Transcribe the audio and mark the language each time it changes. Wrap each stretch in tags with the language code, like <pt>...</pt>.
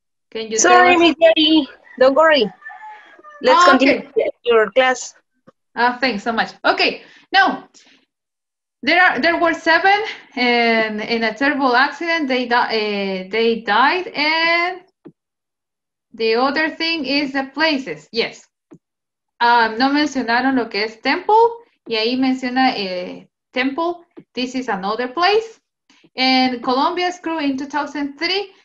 <en>Can you sorry, Miss Jenny, don't worry. Let's continue your class. Thanks so much. Okay, now there were 7 and in a terrible accident they died, and the other thing is the places.</en> <es>Yes, no mencionaron lo que es temple, y ahí menciona temple.</es> <en>This is another place, and Columbia's crew in 2003.</en>